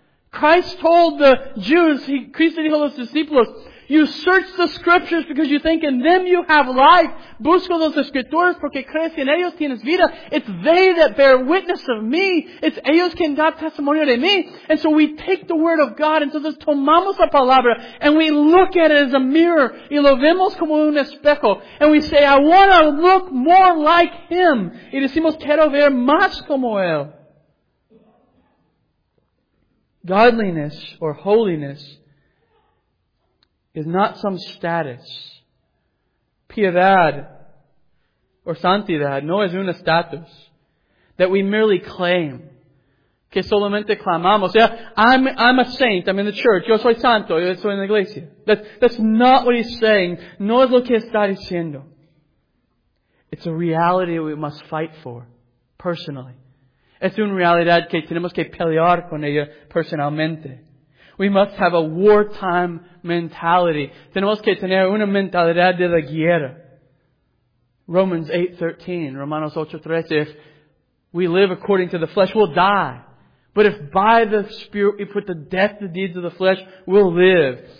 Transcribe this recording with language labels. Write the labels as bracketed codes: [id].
[en] Christ told the Jews, [es] Cristo dijo a los discípulos, [en] you search the Scriptures because you think in them you have life. [es] Busco las Escrituras porque crees que en ellos tienes vida. [en] It's they that bear witness of me. It's [es] ellos quien da testimonio de mí. [en] And so we take the Word of God, and so just [es] tomamos la palabra, [en] and we look at it as a mirror. [es] Y lo vemos como un espejo. [en] And we say, I want to look more like Him. [es] Y decimos, quiero ver más como Él. [en] Godliness or holiness is not some status. [es] Piedad or santidad no es un estatus [en] that we merely claim. [es] Que solamente clamamos. [en] Yeah, I'm a saint. I'm in the church. [es] Yo soy santo. Yo soy en la iglesia. [en] That's not what he's saying. [es] No es lo que está diciendo. [en] It's a reality we must fight for personally. [es] Es una realidad que tenemos que pelear con ella personalmente. [en] We must have a wartime mentality. [es] Tenemos que tener una mentalidad de la guerra. Romanos 8:13. [en] If we live according to the flesh, we'll die. But if by the Spirit we put to death the deeds of the flesh, we'll live.